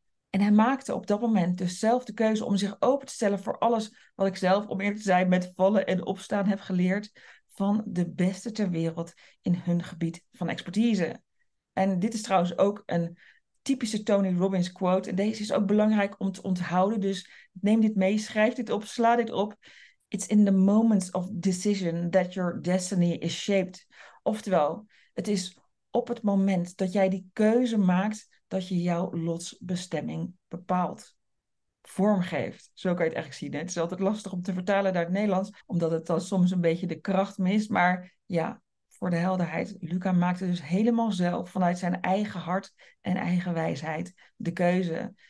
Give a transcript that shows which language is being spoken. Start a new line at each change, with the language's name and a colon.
Dutch: En hij maakte op dat moment dus zelf de keuze om zich open te stellen voor alles wat ik zelf, om eerlijk te zijn, met vallen en opstaan heb geleerd van de beste ter wereld in hun gebied van expertise. En dit is trouwens ook een typische Tony Robbins quote. En deze is ook belangrijk om te onthouden. Dus neem dit mee, schrijf dit op, sla dit op.
English: It's in the moments of decision that your destiny is shaped.
Dutch: Oftewel, het is op het moment dat jij die keuze maakt dat je jouw lotsbestemming bepaalt, vormgeeft. Zo kan je het eigenlijk zien. Hè? Het is altijd lastig om te vertalen naar het Nederlands, omdat het dan soms een beetje de kracht mist. Maar ja, voor de helderheid, Luca maakte dus helemaal zelf vanuit zijn eigen hart en eigen wijsheid de keuze.